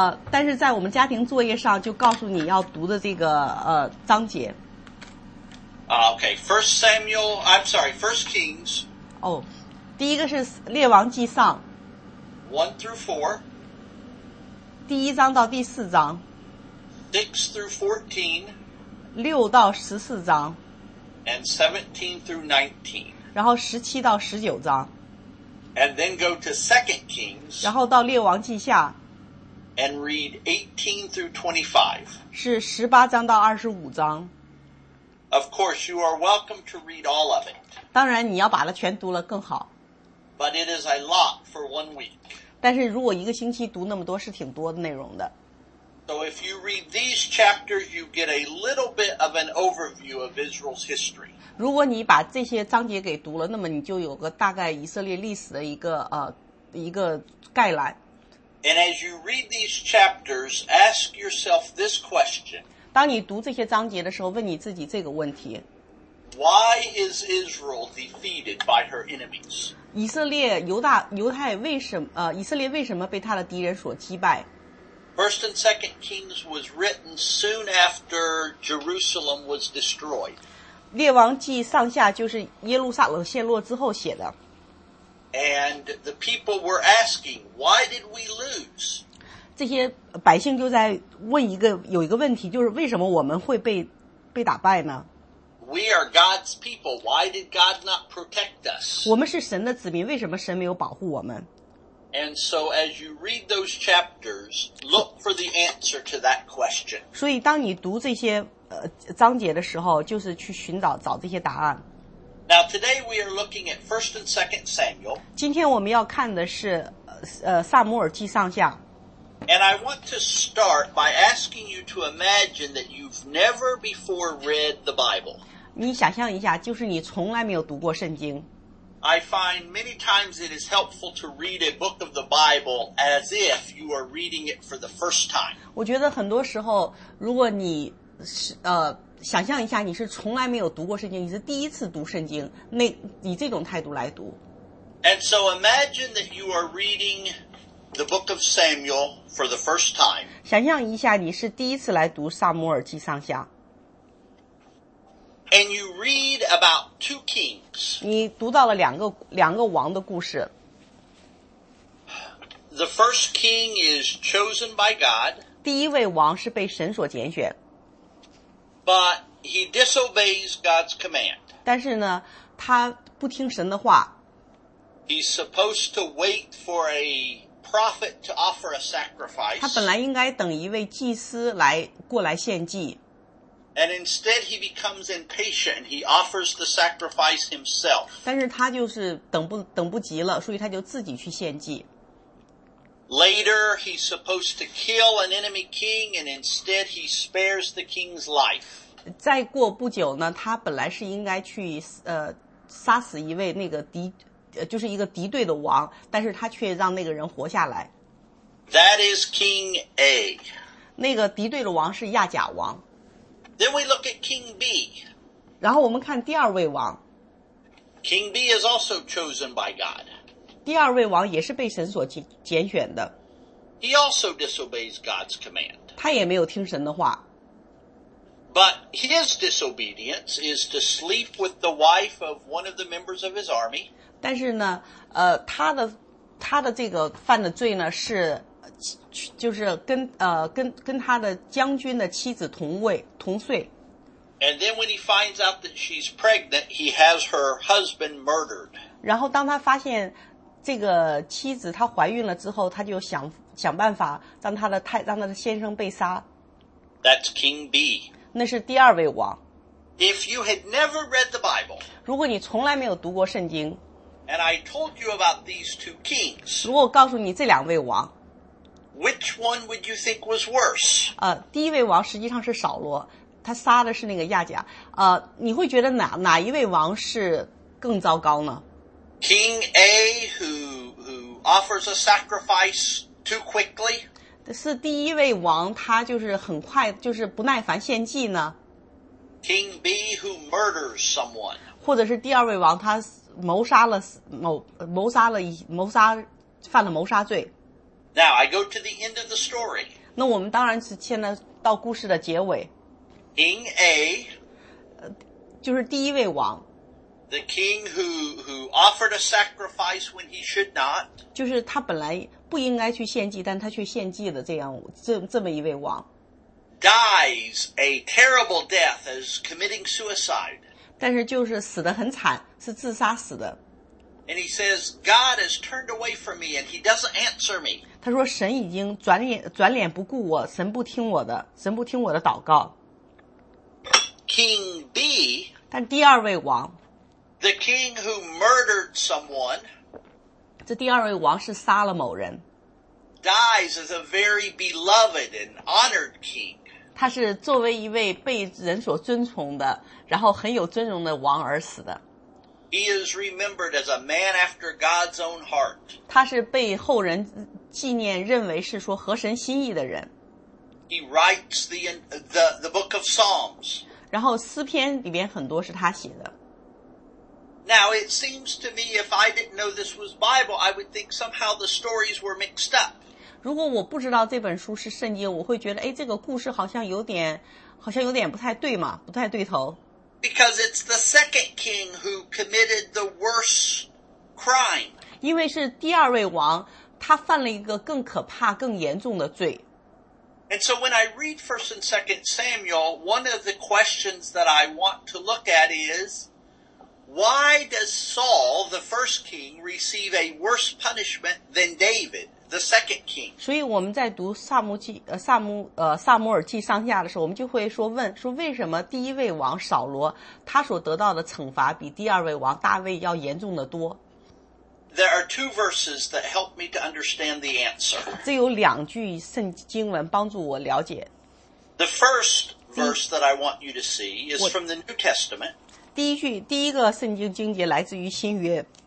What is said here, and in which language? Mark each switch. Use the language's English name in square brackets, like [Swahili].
[Chinese] 但是在我们家庭作业上就告诉你要读的这个章节。 [English] Okay, First Samuel, I'm sorry, First Kings. [Chinese] 第一个是列王记上。 [English] 1 through 4. [Chinese] 第一章到第四章。 [English] 6 through 14. [Chinese] 6到14章。 [English] And 17 through 19. [Chinese] 然后17到19章。 [English] And then go to Second Kings. [Chinese] 然后到列王记下。 [English] And read 18 through 25. [Chinese] 是18章到25章。 [English] Of course, you are welcome to read all of it. [Chinese] 当然你要把它全读了更好。 [English] But it is a lot for one week. [Chinese] 但是如果一个星期读那么多是挺多的内容的。 [English] So if you read these chapters, you get a little bit of an overview of Israel's history. [Chinese] 如果你把这些章节给读了，那么你就有个大概以色列历史的一个概览。 [English] And as you read these chapters, ask yourself this question. [Chinese] 当你读这些章节的时候，问你自己这个问题。 [English] Why is Israel defeated by her enemies? [Chinese] 以色列犹太为什么被他的敌人所击败？ [English] First and Second Kings was written soon after Jerusalem was destroyed. [Chinese] 列王记上下就是耶路撒冷陷落之后写的。 [English] And the people were asking, why did we lose? [Chinese] 这些百姓就在问一个有一个问题，就是为什么我们会被打败呢？ [English] We are God's people. Why did God not protect us? [Chinese] 我们是神的子民，为什么神没有保护我们？ [English] And so as you read those chapters, look for the answer to that question. [Chinese] 所以当你读这些章节的时候，就是去寻找找这些答案。 [English] Now today we are looking at 1st and 2nd Samuel. [Chinese] 今天我们要看的是撒母耳记上下。 [English] And I want to start by asking you to imagine that you've never before read the Bible. [Chinese] 你想象一下，就是你从来没有读过圣经。 [English] I find many times it is helpful to read a book of the Bible as if you are reading it for the first time. [Chinese] 我觉得很多时候，如果你想象一下，你是从来没有读过圣经，你是第一次读圣经，那以这种态度来读。 [English] And so imagine that you are reading the book of Samuel for the first time. [Chinese] 想象一下，你是第一次来读撒母耳记上下。 [English] And you read about two kings. [Chinese] 你读到了两个王的故事。 [English] The first king is chosen by God. [Chinese] 第一位王是被神所拣选。 [English] But he disobeys God's command. [Chinese] 但是呢，他不听神的话。 [English] He's supposed to wait for a prophet to offer a sacrifice. [Chinese] 他本来应该等一位祭司过来献祭。 [English] And instead he becomes impatient. He offers the sacrifice himself. [Chinese] 但是他就是等不及了，所以他就自己去献祭。 [English] Later, he's supposed to kill an enemy king, and instead he spares the king's life. [Chinese] 再过不久呢，他本来是应该去杀死一位那个就是一个敌对的王，但是他却让那个人活下来。 [English] That is King A. [Chinese] 那个敌对的王是亚甲王。 [English] Then we look at King B. [Chinese] 然后我们看第二位王。 [English] King B is also chosen by God. [Chinese] 第二位王也是被神所拣选的。 [English] He also disobeys God's command. [Chinese] 他也没有听神的话。 [English] But his disobedience is to sleep with the wife of one of the members of his army. [Chinese] 但是呢，他的这个犯的罪呢是，就是跟他的将军的妻子同睡。 [English] And then when he finds out that she's pregnant, he has her husband murdered. [Chinese] 然后当他发现这个妻子她怀孕了之后，他就想办法让他的先生被杀。 [English] That's King B. [Chinese] 那是第二位王。 [English] If you had never read the Bible, [Chinese] 如果你从来没有读过圣经， [English] and I told you about these two kings, [Chinese] 如果告诉你这两位王， [English] which one would you think was worse? [Chinese] 第一位王实际上是扫罗，他杀的是那个亚甲。你会觉得哪一位王是更糟糕呢？ [English] King A, who offers a sacrifice too quickly? [Chinese] 是第一位王，他就是很快，就是不耐烦献祭呢？ [English] King B who murders someone. [Chinese] 或者是第二位王他犯了谋杀罪。 [English] Now I go to the end of the story. [Chinese] 那我们当然是现在到故事的结尾。 [English] King A, [Chinese] 就是第一位王。 [English] The king who offered a sacrifice when he should not. [Chinese] 就是他本来不应该去献祭，但他却献祭了这么一位王。 [English] Dies a terrible death as committing suicide. [Chinese] 但是就是死得很惨，是自杀死的。 [English] And he says, God has turned away from me and he doesn't answer me. [Chinese] 他说神已经转脸不顾我，神不听我的祷告。 [English] King B, [Chinese] 但第二位王， [English] the king who murdered someone, [Chinese] 这第二位王是杀了某人。 [English] Dies as a very beloved and honored king. [Chinese] 他是作为一位被人所尊崇的，然后很有尊荣的王而死的。 [English] He is remembered as a man after God's own heart. [Chinese] 他是被后人纪念，认为是说合神心意的人。 [English] He writes the book of Psalms. [Chinese] 然后诗篇里面很多是他写的。 [English] Now it seems to me if I didn't know this was Bible, I would think somehow the stories were mixed up. [Chinese] 如果我不知道这本书是圣经，我会觉得，哎，这个故事好像有点不太对嘛，不太对头。 [English] Because it's the second king who committed the worst crime. [Chinese] 因为是第二位王，他犯了一个更可怕、更严重的罪。 [English] And so when I read 1st and 2nd Samuel, one of the questions that I want to look at is,Why does Saul, the first king, receive a worse punishment than David, the second king? [Chinese] 所以我们在读萨摩尔记上下的时候，我们就会说为什么第一位王扫罗他所得到的惩罚比第二位王大卫要严重的多？ [English] There are two verses that help me to understand the answer. [Chinese] 这有两句圣经文帮助我了解。 [English] The first verse that I want you to see is from the New Testament. [Chinese] 第一个圣经经节来自于新约。